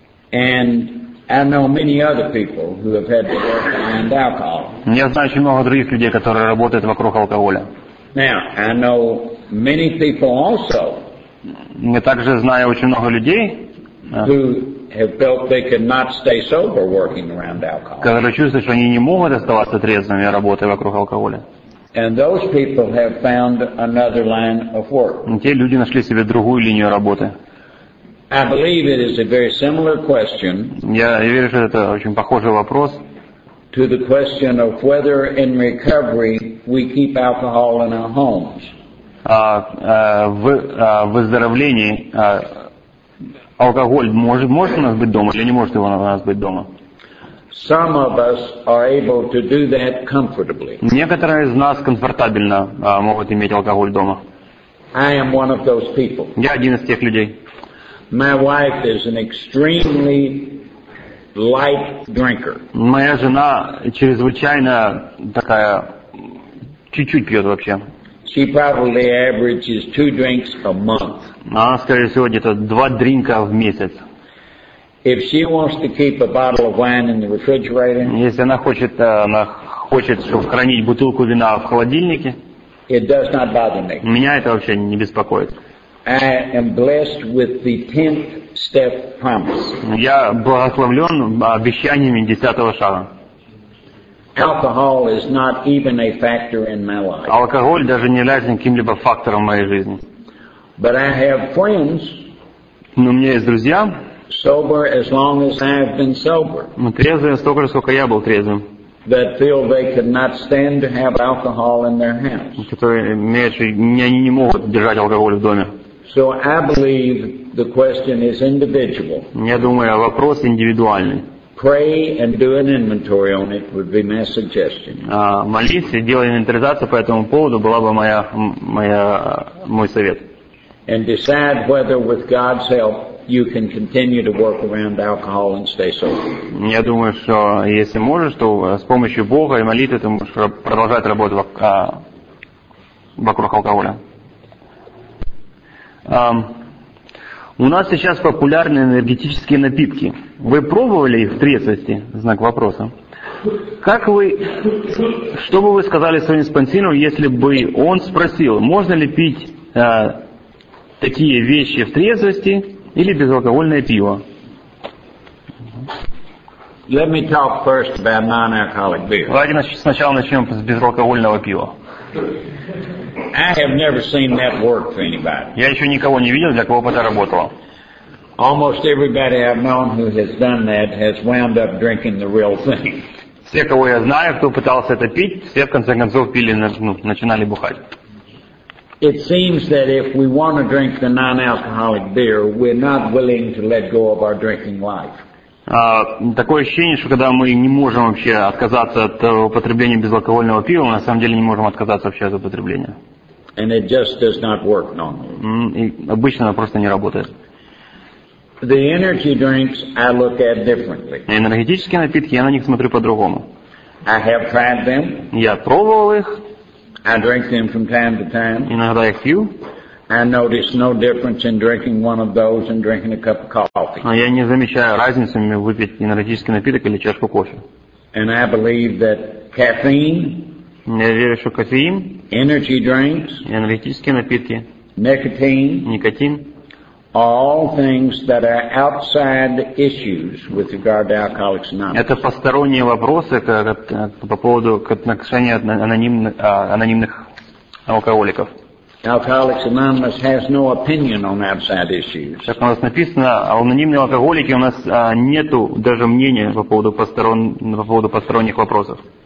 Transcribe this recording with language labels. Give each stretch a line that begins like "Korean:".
English: And I know many other people who have had to work around alcohol.
Russian: Я знаю очень много других людей, которые работают вокруг алкоголя.
English: Now, I know many people also.
Russian: Я также знаю очень много людей,
English: who have felt they could not stay sober working around alcohol.
Russian: Которые чувствуют, что они не могут оставаться трезвыми, работая вокруг алкоголя.
English: And those people have found another line of work.
Russian: Те люди нашли себе другую линию работы.
English: I believe it is a very similar question.
Russian: Я верю, что это очень похожий вопрос.
English: To the question of whether in recovery we keep alcohol in our homes.
Russian: В выздоровлении алкоголь может у нас быть дома или не может его у нас быть дома?
English: Some of us are able to do that comfortably.
Russian: Некоторые из нас комфортабельно могут иметь алкоголь дома.
English: I am one of those people.
Russian: Я один из тех людей.
English: My wife is an extremely light drinker.
Russian: Моя жена чрезвычайно такая, чуть-чуть пьет вообще.
English: She probably averages 2 drinks a month.
Russian: Она, скорее всего, где-то 2 дринка в месяц.
English: If she wants to keep a bottle of wine in the refrigerator,
Russian: если она хочет, чтобы хранить бутылку вина в холодильнике,
English: it does not bother me.
Russian: Меня это вообще не беспокоит.
English: I am blessed with the 10th step promise.
Russian: Я благословлен обещаниями 10-го шага.
English: Alcohol is not even a factor in my life.
Russian: Алкоголь даже не является каким-либо фактором в моей жизни.
English: But I have friends.
Russian: Но у меня есть друзья.
English: Sober as long as I have been sober.
Russian: Трезвые столько же, сколько я был трезвым.
English: That feel they could not stand to have alcohol in their hands.
Russian: Которые не могут держать алкоголь в доме.
English: So I believe the question is individual.
Russian: Я думаю, вопрос индивидуальный.
English: Pray and do an inventory on it would be my suggestion.
Russian: Молись и делай инвентаризацию по этому поводу была бы мой совет.
English: And decide whether with God's help you can continue to work around alcohol and stay sober.
Russian: Я думаю, что если можешь, то с помощью Бога и молитвы ты можешь продолжать работу вокруг алкоголя. У нас сейчас популярны энергетические напитки. Вы пробовали их в трезвости? Знак вопроса. Что бы вы сказали своим спонсору, если бы он спросил, можно ли пить такие вещи в трезвости или безалкогольное пиво?
English: Let me talk first about non-alcoholic beer.
Russian: Давайте сначала начнем с безалкогольного пива.
English: I have never seen that work for anybody.
Russian: Я еще никого не видел, для кого бы это работало.
English: Almost everybody I've known who has done that has wound up drinking the real thing.
Russian: Все, кого я знаю, кто пытался это пить, все в конце концов пили, начинали бухать.
English: It seems that if we want to drink the non-alcoholic beer, we're not willing to let go of our drinking life.
Russian: Такое ощущение, что когда мы не можем вообще отказаться от употребления безалкогольного пива, мы на самом деле не можем отказаться вообще от употребления.
English: And it just does not work normally.
Russian: Обычно оно просто не работает.
English: The energy drinks I look at differently.
Russian: Энергетические напитки я на них смотрю по-другому.
English: I have tried them.
Russian: Я пробовал их.
English: I drink them from time to time.
Russian: Иногда я пью.
English: I notice no difference in drinking one of those and drinking a cup of coffee.
Russian: Я не замечаю разницы между выпить энергетический напиток или чашку кофе.
English: And I believe that caffeine.
Russian: Я верю, что кофеин,
English: energy drinks,
Russian: энергетические напитки,
English: nicotine,
Russian: никотин,
English: all things that are outside issues with regard to Alcoholics Anonymous.
Russian: Это посторонние вопросы по поводу отношения анонимных алкоголиков.
English: Alcoholics Anonymous has no opinion on outside issues.
Russian: Как у нас написано, анонимные алкоголики у нас нету даже мнения по поводу посторонних вопросов.